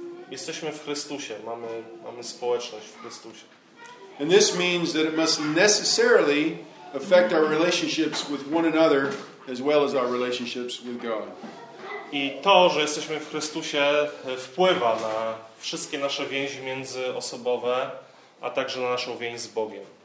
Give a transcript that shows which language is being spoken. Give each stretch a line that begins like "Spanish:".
Polish: Jesteśmy w Chrystusie, mamy społeczność w Chrystusie.
English: And this means that it must necessarily affect our relationships with one another as well as our relationships with God.
Polish: I to, że jesteśmy w Chrystusie, wpływa na wszystkie nasze więzi międzyosobowe, a także na naszą więź z Bogiem.